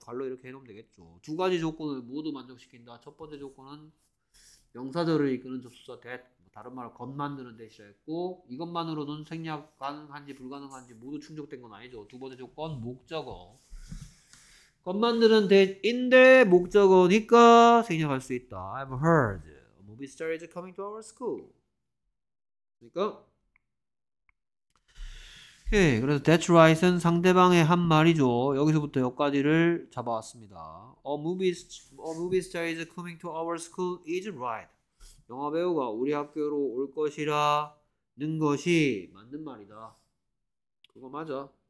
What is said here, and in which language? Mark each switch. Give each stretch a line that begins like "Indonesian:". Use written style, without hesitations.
Korean: 발로 이렇게 해놓으면 되겠죠. 두 가지 조건을 모두 만족시킨다. 첫 번째 조건은 명사절을 이끄는 접수사 that. 다른 말로 겉 만드는 대시였고 이것만으로는 생략 가능한지 불가능한지 모두 충족된 건 아니죠. 두 번째 조건 목적어. 겉 만드는 대인데 목적어니까 생략할 수 있다.
English: I've heard a movie star is coming to our school.
Korean: 그러니까 오케이. 그래서
English: that's right
Korean: 은 상대방의 한 말이죠. 여기서부터 여기까지를 잡아왔습니다.
English: A movie star is coming to our school is right.
Korean: 영화 배우가 우리 학교로 올 것이라는 것이 맞는 말이다. 그거 맞아.